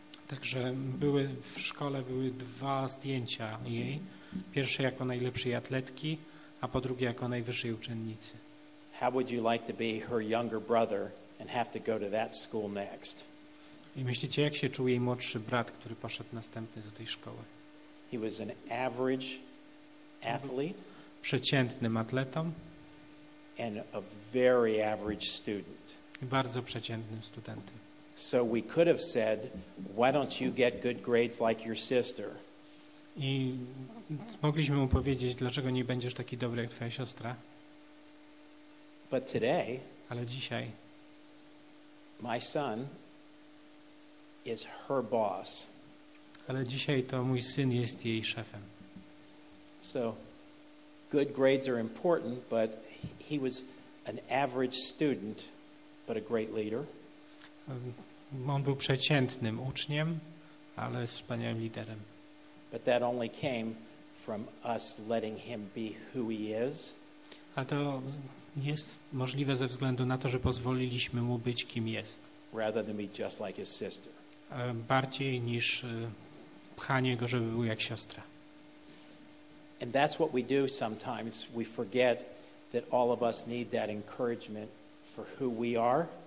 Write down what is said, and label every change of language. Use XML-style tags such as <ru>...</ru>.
<pl>Także były w szkole były dwa zdjęcia jej. Pierwsze jako najlepszej atletki, a po drugie jako najwyższej uczennicy.</pl> <en>How would you like to be her younger brother and have to go to that school next?</en> <pl>I myślicie, jak się czuł jej młodszy brat, który poszedł następny do tej szkoły?</pl> <en>He was an average athlete.</en> <pl>Przeciętnym atletą.</pl> <en>And a very average student.</en> <pl>Bardzo przeciętnym studentem.</pl> <en>So we could have said, why don't you get good grades like your sister?</en> <pl>I mogliśmy mu powiedzieć, dlaczego nie będziesz taki dobry jak twoja siostra?</pl> <en>But today,</en> <pl>ale dzisiaj,</pl> <en>my son is her boss.</en> <pl>Ale dzisiaj to mój syn jest jej szefem.</pl> <en>So, good grades are important, but he was an average student, but a great leader.</en> <pl>On był przeciętnym uczniem, ale wspaniałym liderem.</pl> <en>But that only came from us letting him be who he is.</en> <pl>A to jest możliwe ze względu na to, że pozwoliliśmy mu być kim jest.</pl> <en>Rather than be just like his sister.</en> <pl>Bardziej niż pchanie go, żeby był jak siostra.</pl> <en>And that's what we do sometimes. We forget that all of us need that encouragement for who we are.</en>